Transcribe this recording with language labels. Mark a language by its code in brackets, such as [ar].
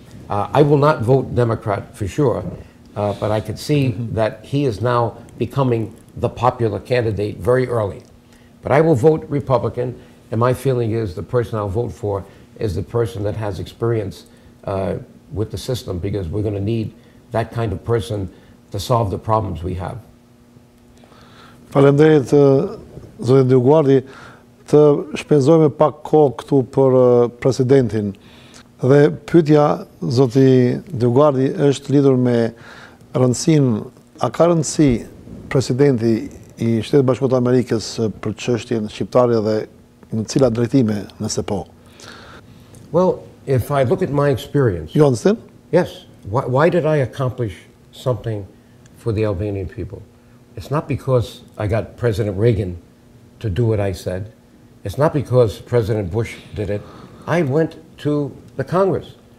[en] I will not vote Democrat for sure, but I could see that he is now becoming the popular candidate very early. But I will vote Republican, and my feeling is the person I'll vote for is the person that has experience with the system, because we're gonna need that kind of person to solve the problems we have. [sq] Faleminderit, zonë Dioguardi, të shpenzojme pak kohë këtu për presidentin. Dhe pyetja, zoti Dioguardi, është lidhur me rëndësinë, a ka rëndësi presidenti I Shtetit Bashkuar të Amerikës për çështjen shqiptare dhe në cila drejtime, nëse po? [en] Well, if I look at my experience. You understand? Yes. Why did I accomplish something for the Albanian people? It's not because I got President Reagan to do what I said. It's not because President Bush did it. I went to the Congress.